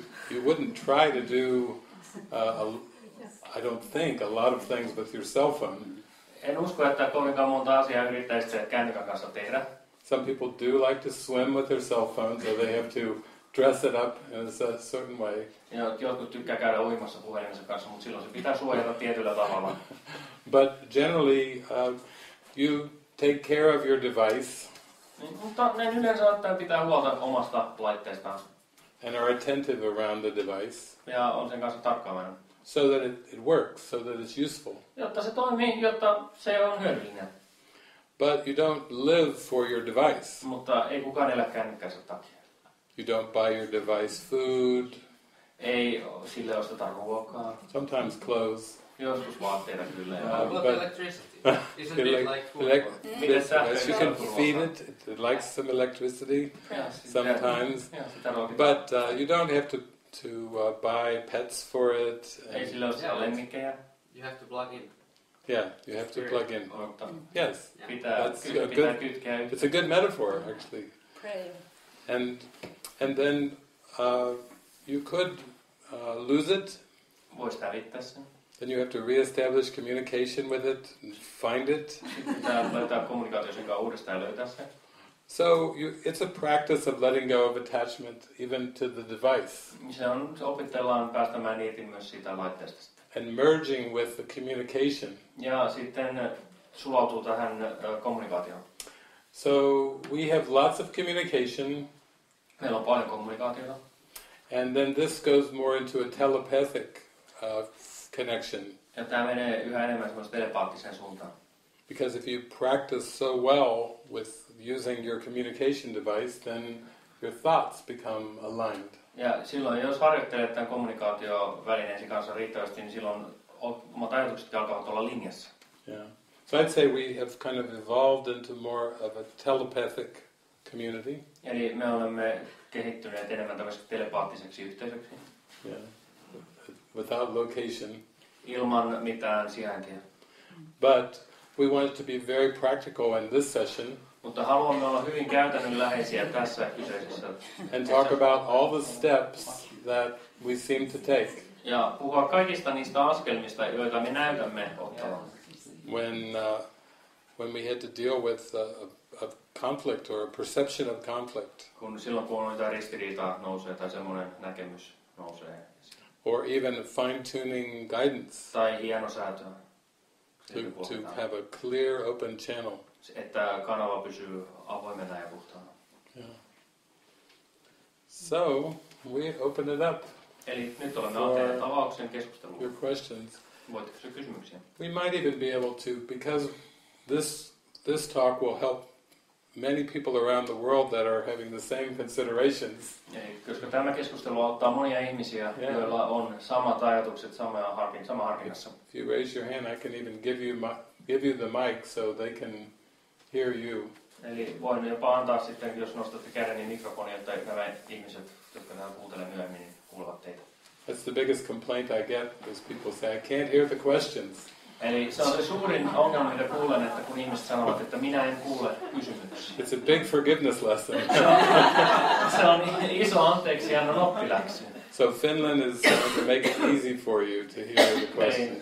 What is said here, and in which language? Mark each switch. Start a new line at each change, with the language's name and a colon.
English: You wouldn't try to do I don't think a lot of things with your cell phone.
Finnish: En usko, että kovinkaan monta asiaa yrittäisit sen kännykän kanssa tehdä.
English: Some people do like to swim with their cell phone, so they have to dress it up in a certain way.
Finnish: Jotkut tykkää käydä uimassa puhelimensa kanssa, mutta silloin se pitää suojata tietyllä tavalla.
English: But generally, you take care of your device.
Finnish: Mutta näin yleensä ottaen pitää huolta omasta laitteestaan.
English: And are attentive around the device.
Finnish: Ja on sen kanssa tarkkaavainen.
English: So that it works, so that it's useful.
Finnish: Jotta se toimii, jotta se on hyödyllinen.
English: But you don't live for your device.
Finnish: Mutta ei kukaan elä kännykkänsä takia.
English: You don't buy your device food.
Finnish: Ei sille osteta ruokaa.
English: Sometimes clothes.
Finnish: Joskus vaatteita kyllä.
English: But electricity. Isn't it like food? Yes, you can feed it. It likes some electricity. Yeah, sometimes. Yeah, but you don't have to buy pets for it.
Finnish: Ei sille osteta lemmikkejä.
English: You have to plug in. Yeah, you have to plug in. Yes. Yeah. That's a good, it's a good metaphor, actually. Pray. And then you could lose it.
Finnish: Voisi hävittää sen.
English: Then you have to reestablish communication with it and find it.
Finnish: Laittaa kommunikaatio sen kanssa uudestaan ja löytää sen.
English: So it's a practice of letting go of attachment even to the device.
Finnish: Se on, opitellaan päästämään irti myös siitä laitteesta.
English: And merging with the communication.
Finnish: Ja sitten sulautuu tähän kommunikaatioon.
English: So we have lots of communication.
Finnish: Meillä on paljon kommunikaatiota.
English: And then this goes more into a telepathic connection.
Finnish: Ja tämä menee yhä enemmän semmoista telepaattiseen suuntaan.
English: Because if you practice so well with using your communication device, then your thoughts become aligned.
Finnish: Ja silloin jos harjoittelet tämän kommunikaatiovälineesi kanssa riittävästi, niin silloin omat ajatuksetkin alkavat olla linjassa.
English: Yeah. So I'd say we have kind of evolved into more of a telepathic community.
Finnish: Eli me olemme kehittyneet enemmän tämmöiseksi telepaattiseksi yhteisöksi.
English: Yeah. Without location.
Finnish: Ilman mitään sijaintia.
English: But we wanted to be very practical in this session.
Finnish: Mutta haluamme olla hyvin käytännönläheisiä tässä kyseisessä.
English: And talk about all the steps that we seem to take.
Finnish: Ja puhua kaikista niistä askelmista, joita me näytämme ottavan.
English: When we had to deal with a conflict or a perception of conflict.
Finnish: Kun silloin kun niitä ristiriitaa nousee tai semmoinen näkemys nousee.
English: Or even fine-tuning guidance.
Finnish: Tai hienosäätöä.
English: To have a clear, open channel.
Finnish: Että kanava pysyy avoimena ja puhtaana.
English: So we open it up.
Finnish: Eli nyt olemme avanneet avauksen keskusteluun.
English: Your questions.
Finnish: Voitte kysyä kysymyksiä.
English: We might even be able to, because this talk will help many people around the world that are having the same considerations.
Finnish: Koska tämä keskustelu auttaa monia ihmisiä, joilla on samat ajatukset, sama harkinnassa.
English: If you raise your hand, I can even give you the mic so they can hear you.
Finnish: Eli voin jopa antaa sitten, jos nostatte käden, niin mikrofoni, että nämä ihmiset, jotka tämän kuuntelevat myöhemmin, niin kuulevat teitä.
English: That's the biggest complaint I get, is people say, I can't hear the questions.
Finnish: Eli se on se suurin ongelma, mitä kuulen, että kun ihmiset sanovat, että minä en kuule kysymyksiä.
English: It's a big forgiveness lesson.
Finnish: Se on iso anteeksi ja on oppiläksi.
English: So Finland is going to make it easy for you to hear the questions.